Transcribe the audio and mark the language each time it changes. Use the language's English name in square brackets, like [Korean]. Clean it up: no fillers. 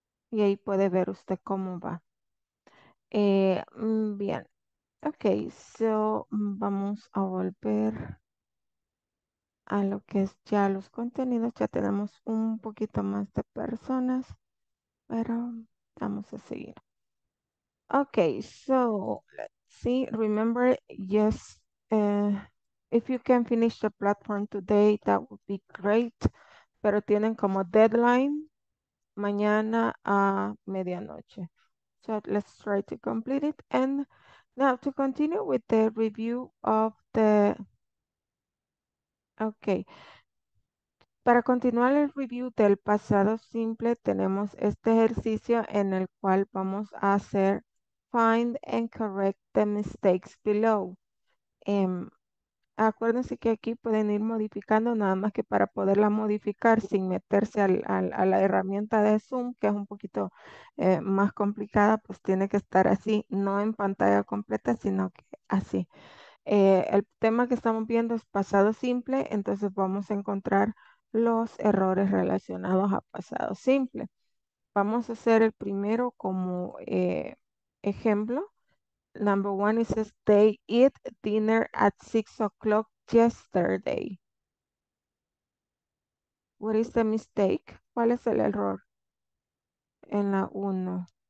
[Spanish] Y ahí puede ver usted cómo va. Bien. Ok, so vamos a volver a lo que es ya los contenidos. Ya tenemos un poquito más de personas, pero vamos a seguir. [English] Ok, so let's see. Remember, yes, if you can finish the platform today, that would be great. [Spanish] Pero tienen como deadline mañana a medianoche. [English] So let's try to complete it. And now to continue with the review of the, okay. [Spanish] Para continuar el review del pasado simple, tenemos este ejercicio en el cual vamos a hacer [English] find and correct the mistakes below. [Spanish] Acuérdense que aquí pueden ir modificando nada más que para poderla modificar sin meterse a la herramienta de Zoom, que es un poquito más complicada, pues tiene que estar así, no en pantalla completa, sino que así. El tema que estamos viendo es pasado simple, entonces vamos a encontrar los errores relacionados a pasado simple. Vamos a hacer el primero como ejemplo. [English] Number one, it says they eat dinner at 6 o'clock yesterday. What is the mistake? [Spanish] ¿Cuál es el error? En la uno.